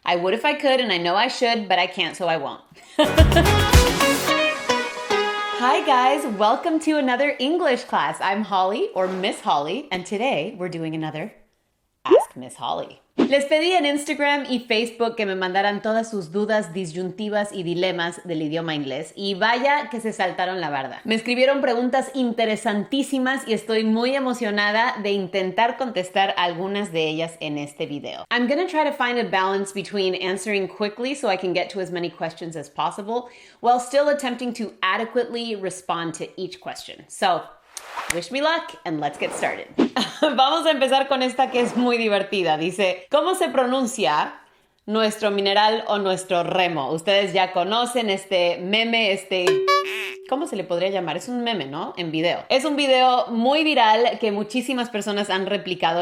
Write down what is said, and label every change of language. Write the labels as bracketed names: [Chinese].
[English] I would if I could, and I know I should, but I can't, so I won't. Hi guys, welcome to another English class. I'm Holly, or Miss Holly, and today we're doing another Ask Miss Holly. [Spanish] Les pedí en Instagram y Facebook que me mandaran todas sus dudas, disyuntivas y dilemas del idioma inglés. Y vaya que se saltaron la barda. Me escribieron preguntas interesantísimas y estoy muy emocionada de intentar contestar algunas de ellas en este video. [English] I'm gonna try to find a balance between answering quickly so I can get to as many questions as possible, while still attempting to adequately respond to each question. So, wish me luck and let's get started. [Spanish] Vamos a empezar con esta que es muy divertida. Dice, ¿cómo se pronuncia nuestro mineral o nuestro remo? Ustedes ya conocen este meme, este... ¿Cómo se le podría llamar? Es un meme, ¿no? En video. Es un video muy viral que muchísimas personas han replicado.